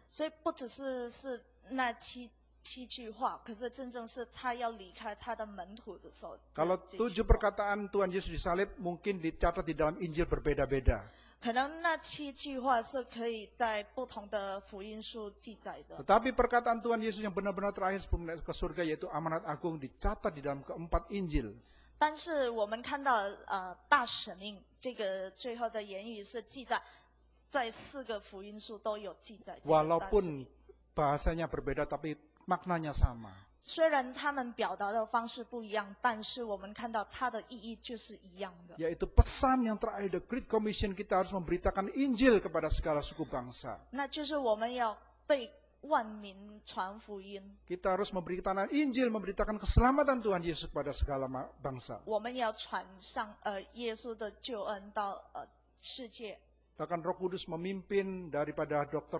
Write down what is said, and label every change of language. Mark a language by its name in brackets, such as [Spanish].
[Chinese] 所以不只是那七句话，可是真正是他要离开他的门徒的时候。 [Indonesian] Kalau 7 perkataan Tuhan Yesus disalib, mungkin dicatat di dalam Injil berbeda-beda. [Chinese] 可能那七句话是可以在不同的福音书记载的。 [Indonesian] Tetapi perkataan Tuhan Yesus yang benar-benar terakhir sebelum naik ke surga yaitu amanat agung dicatat di dalam 4 Injil. [Chinese] 但是我们看到大使命这个最后的言语是记载在四个福音书都有记载。 [Indonesian] Walaupun bahasanya berbeda, tapi maknanya sama. [Chinese] 虽然他们表达的方式不一样，但是我们看到它的意义就是一样的。 [Indonesian] Yaitu pesan yang terakhir [English] the Great Commission [Indonesian] kita harus memberitakan Injil kepada segala suku bangsa. [Chinese] 那就是我们要对万民传福音。 [Indonesian] Kita harus memberitakan Injil, memberitakan keselamatan Tuhan Yesus kepada segala bangsa. [Chinese] 我们要传上耶稣的救恩到世界。 [Indonesian] Bahkan Roh Kudus memimpin daripada Dr.